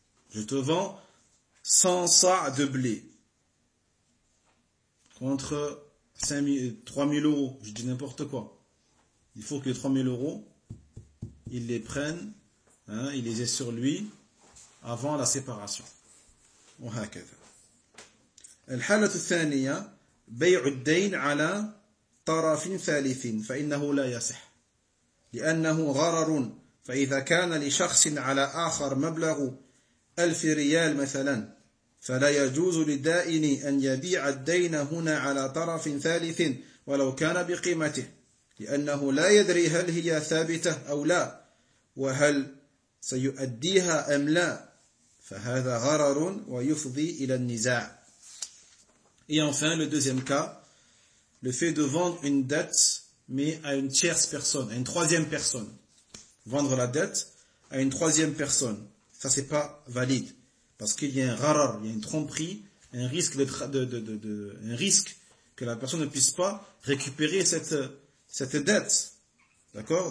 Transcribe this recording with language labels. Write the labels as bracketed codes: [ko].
[fr] Je te vends 100 sa' de blé contre 3000 euros, je dis n'importe quoi. Il faut que les 3000 euros, il les prenne, hein, il les ait sur lui avant la séparation. [ar] وهكذا. الحالة الثانية بيع الدين على طرف ثالث فإنه لا يصح لأنه غرر فإذا كان لشخص على آخر مبلغ 1000 ريال مثلا فلا يجوز للدائن أن يبيع الدين هنا على طرف ثالث ولو كان بقيمته لأنه لا يدري هل هي ثابتة أو لا وهل سيؤديها أم لا فهذا غرر ويفضي إلى النزاع. [fr] Et enfin le deuxième cas, le fait de vendre une dette mais à une tierce personne, à une troisième personne. Vendre la dette à une troisième personne, ça c'est pas valide. Parce qu'il y a un gharar, il y a une tromperie, un risque un risque que la personne ne puisse pas récupérer cette dette. D'accord?